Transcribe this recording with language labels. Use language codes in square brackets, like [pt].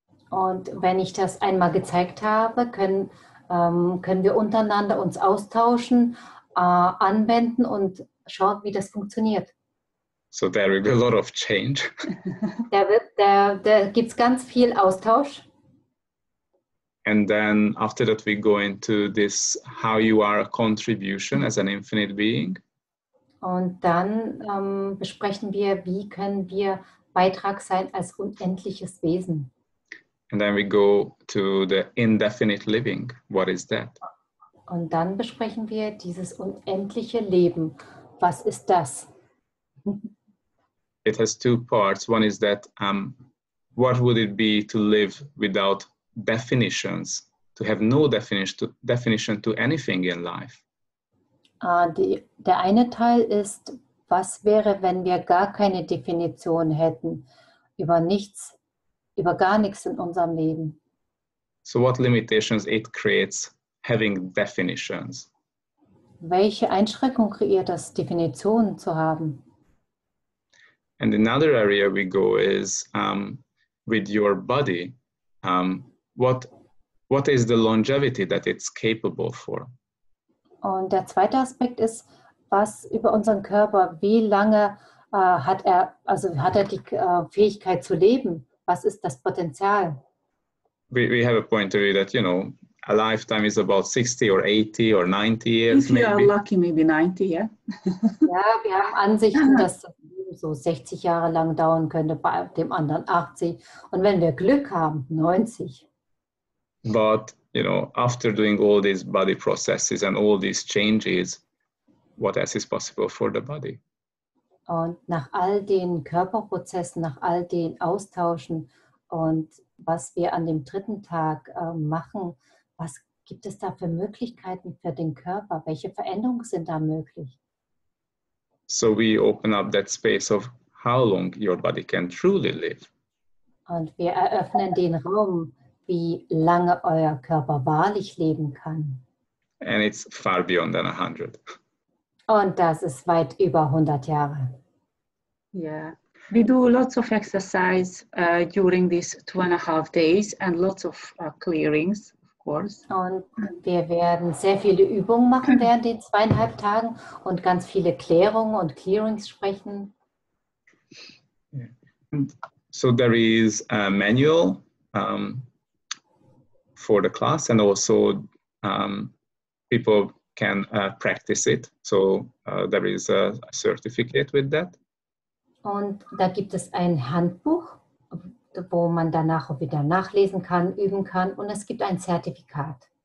[de] Und wenn ich das einmal gezeigt habe, können wir untereinander uns austauschen, anwenden und schaut, wie das funktioniert. [en] So there will be a lot of change. [de] da gibt's ganz viel Austausch. [en] And then after that we go into this how you are a contribution as an infinite being. [de] Und dann besprechen wir, wie können wir Beitrag sein als unendliches Wesen. [en] And then we go to the indefinite living. What is that? [de] Und dann besprechen wir dieses unendliche Leben. Was ist das? [en] It has two parts. One is that what would it be to live without definitions, to have no definition to anything in life? [de] Der eine Teil ist, was wäre, wenn wir gar keine Definition hätten über nichts, über gar nichts in unserem Leben? [en] So what limitations it creates having definitions? [de] Welche Einschränkung kreiert das, Definitionen zu haben? [en] And another area we go is with your body. What is the longevity that it's capable for? [de] Und der zweite Aspekt ist, was über unseren Körper, wie lange hat er die Fähigkeit zu leben? Was ist das Potenzial? [en] We have a point of view that, you know, a lifetime is about 60 or 80 or 90 years. If you are lucky, maybe 90, yeah. [de] Ja, wir haben Ansichten, dass so 60 Jahre lang dauern könnte, bei dem anderen 80. Und wenn wir Glück haben, 90. [en] But, you know, after doing all these body processes and all these changes, what else is possible for the body? [de] Und nach all den Körperprozessen, nach all den Austauschen und was wir an dem dritten Tag machen, was gibt es da für Möglichkeiten für den Körper? Welche Veränderungen sind da möglich? [en] So we open up that space of how long your body can truly live. [de] Und wir eröffnen den Raum, wie lange euer Körper wahrlich leben kann. [en] And it's far beyond than 100. [de] Und das ist weit über 100 Jahre. [en] Yeah. We do lots of exercise during these 2.5 days and lots of clearings. [de] Und wir werden sehr viele Übungen machen während den 2.5 Tagen und ganz viele Klärungen und Clearings sprechen. [en] So there is a manual for the class and also people can practice it. So there is a certificate with that. [de] Und da gibt es ein Handbuch, wo man danach auch wieder nachlesen kann, üben kann, und es gibt ein Zertifikat.